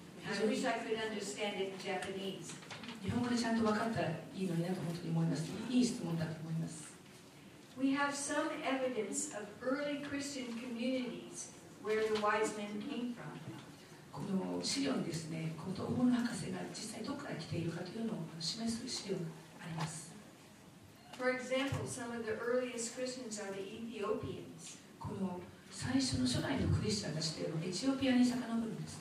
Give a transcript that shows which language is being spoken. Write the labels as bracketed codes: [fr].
[en] I wish I could understand it in Japanese. [ja] 日本語でちゃんと分かったらいいのになと本当に思います。いい質問だと思います。 [en] We have some evidence of early Christian communities where the wise men came from. [ja] この資料にですね、この東方の博士が実際どこから来ているかというのを示す資料があります。 [en] For example, some of the earliest Christians are the Ethiopians. [ja] この最初の初代のクリスチャンたちというのはエチオピアに遡るんです